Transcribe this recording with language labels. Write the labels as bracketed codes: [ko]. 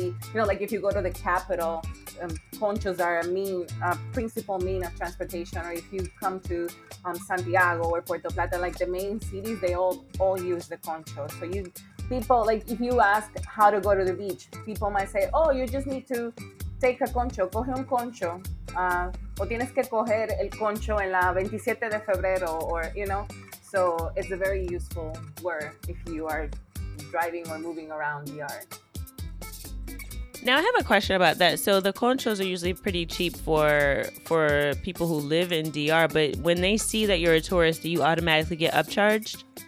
[en] You know, like if you go to the capital, conchos are a principal mean of transportation. Or if you come to Santiago or Puerto Plata, like the main cities, they all use the concho. So if you ask how to go to the beach, people might say, oh, you just need to take a concho, [es] coge un concho, O tienes que coger el concho en la 27 de febrero, or, you know. [en] So it's a very useful word if you are driving or moving around the yard. Now, I have a question about that. So the conchos are usually pretty cheap for people who live in DR, but when they see that you're a tourist, do you automatically get upcharged?